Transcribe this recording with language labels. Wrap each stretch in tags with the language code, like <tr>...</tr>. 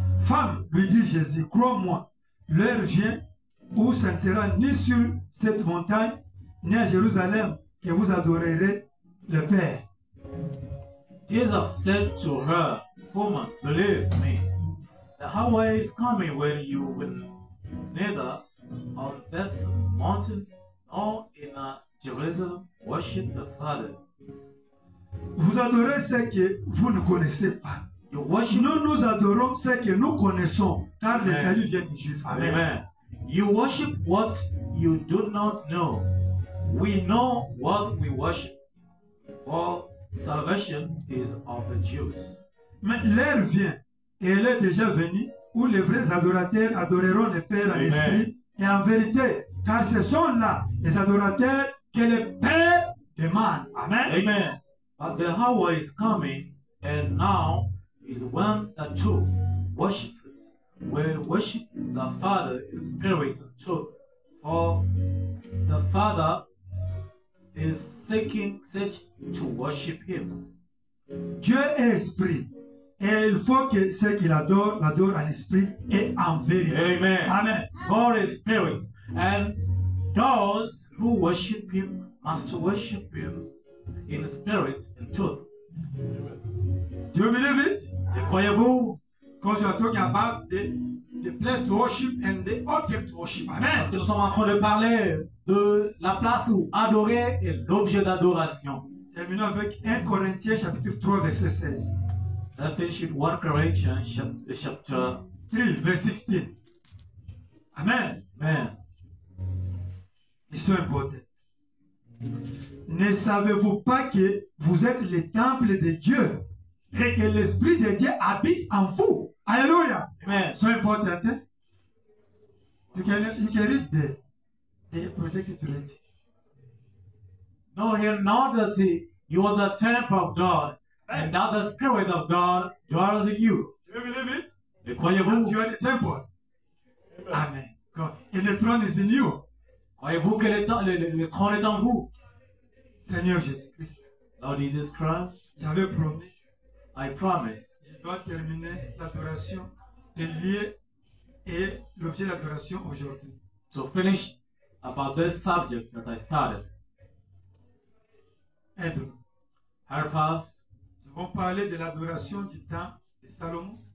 <fr>Femme, lui dit Jésus, crois-moi, l'heure vient où ça ne sera ni sur cette montagne, ni à Jérusalem, que vous adorerez le Père.</fr> <en>Jesus said to her, woman, believe me, the hour is coming when you will neither on this mountain nor in Jerusalem worship the Father.</en> <fr>Vous adorez ce que vous ne connaissez pas. Nous adorons ce que nous connaissons, car Amen. Le salut vient du Juif.</fr> <en>Amen. Amen. You worship what you do not know. We know what we worship, for salvation is of the Jews.</en> <fr>Mais l'heure vient, et elle est déjà venue, où les vrais adorateurs adoreront le Père Amen. En esprit et en vérité, car ce sont là les adorateurs que le Père demande. Amen. Amen.</fr> <en>But the hour is coming, and now is when the true worshippers will worship the Father in spirit and truth. For the Father is seeking such to worship Him.</en> <fr>Dieu est esprit, et il faut que ceux qui l'adorent l'adorent en esprit et en vérité. Amen. Amen.</fr> <en>God is spirit, and those who worship Him must worship Him in spirit and truth. Do you believe it? Incredible. Because you are talking about the place to worship and the object to worship. Amen.</en> <fr>Parce que nous sommes en train de parler de la place où adorer et l'objet d'adoration. Terminons avec 1 Corinthiens chapitre 3 verset 16.</fr> <en>That finished 1 Corinthians chapter 3 verse 16. Amen. Amen.</en> <fr>Ils sont importants. Ne savez-vous pas que vous êtes le temple de Dieu et que l'Esprit de Dieu habite en vous? Alléluia! Amen.</fr> <en>So important. Hein? You can read the protected read. No, here not that you are the temple of God and that the Spirit of God dwells in you. Do you believe it?</en> <fr>Croyez-vous?</fr> <en>You are the temple. Amen. God. And the throne is in you.</en> <fr>Croyez-vous que le trône est en vous? Seigneur Jésus-Christ.</fr> <en>Lord Jesus Christ.</en> <fr>J'avais promis.</fr> <en>I promised.</en> <fr>Je dois terminer l'adoration, le lieu et l'objet d'adoration aujourd'hui.</fr> <en>To finish about this subject that I started.</en> <fr>Aide-nous.</fr> <en>Help us.</en> <fr>Nous avons parlé de l'adoration du temps de Salomon.</fr>